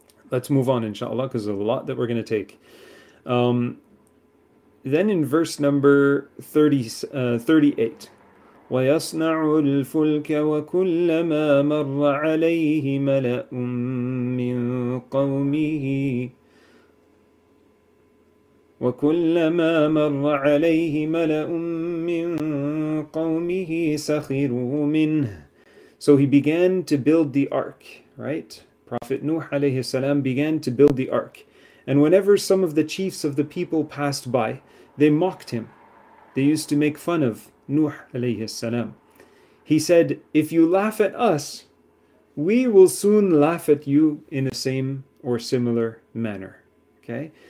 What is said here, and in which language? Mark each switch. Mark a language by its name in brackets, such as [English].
[English] Let's move on, inshallah, because there's a lot that we're going to take. Then in verse number 38, [Arabic] ويصنع الفلك وكلما مر عليه ملأ من قومه وكلما مر عليه ملأ من قومه سخروا منه. [English] So he began to build the ark, right? Prophet Nuh alayhi salam began to build the ark, and whenever some of the chiefs of the people passed by, they mocked him. They used to make fun of Nuh alayhi salam. He said, if you laugh at us, we will soon laugh at you in the same or similar manner. Okay?